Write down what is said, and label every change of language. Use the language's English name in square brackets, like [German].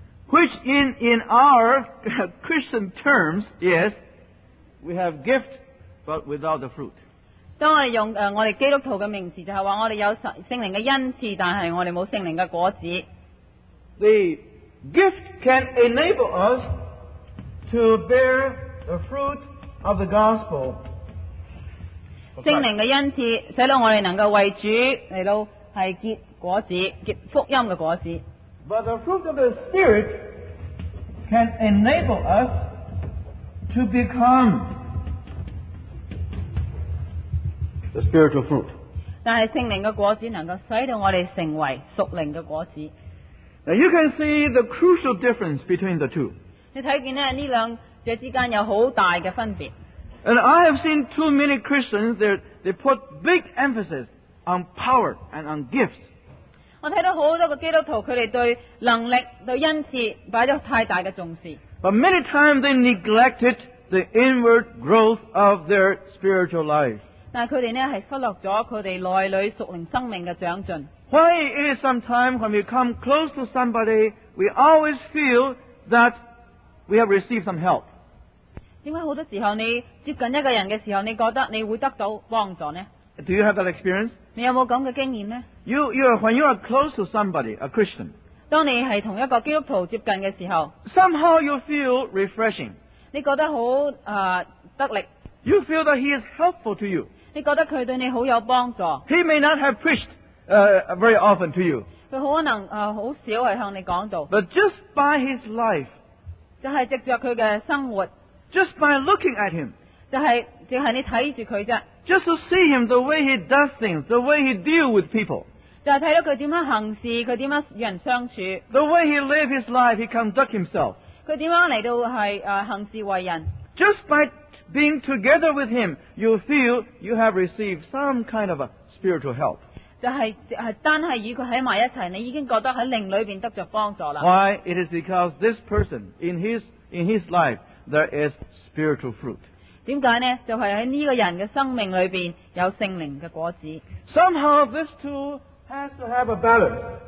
[English] Which in our Christian terms is we have gift but without the fruit。 [Chinese] 当我们用我们基督徒的名字，就是说我们有圣灵的恩赐，但是我们没有圣灵的果子。 [English] The gift can enable us to bear the fruit of the gospel。 [Chinese] 圣灵的恩赐使得我们能够为主来到是结果子，结福音的果子。 [English] But the fruit of the Spirit can enable us to becomeThe spiritual fruit. [Chinese] 但是圣灵的果子能够使得我们成为属灵的果子。 [English] Now you can see the crucial difference between the two. [Chinese] 你看见呢，这两者之间有很大的分别。 [English] And I have seen too many Christians, they put big emphasis on power and on gifts. [Chinese] 我看到很多的基督徒，他们对能力、对恩赐摆了太大的重视。 [English] But many times they neglected the inward growth of their spiritual life. [Chinese] 但他们是忽略了他们内里属灵生命的长进。 [English] Why it is sometimes when we come close to somebody, we always feel that we have received some help? [Chinese] 为什么很多时候你接近一个人的时候，你觉得你会得到帮助呢？ [English] Do you have that experience? [Chinese] 你有没有这样的经验呢？ [English] When you are close to somebody, a Christian, [Chinese] 当你是同一个基督徒接近的时候， [English] somehow you feel refreshing. [Chinese] 你觉得很得力。 [English] You feel that he is helpful to you. [Chinese] 你觉得他对你很有帮助。 [English] He may not have preached very often to you. [Chinese] 他可能很少是向你讲道。 [English] But just by his life, [Chinese] 就是藉着他的生活。 [English] Just by looking at him, [Chinese] 就是你看着他。 [English] Just to see him the way he does things, the way he deals with people. [Chinese] 就是看到他怎样行事，他怎样与人相处。 [English] The way he lives his life, he conducts himself. [Chinese] 他怎样来到是行事为人。 [English] Just byBeing together with him, you feel you have received some kind of a spiritual help. [Chinese] 单是与他在一起，你已经觉得在灵里面得着帮助了。 [English] Why? It is because this person, in his life, there is spiritual fruit. [Chinese] 为什么呢？就是在这个人的生命里面有圣灵的果子。 [English] Somehow, this two has to have a balance.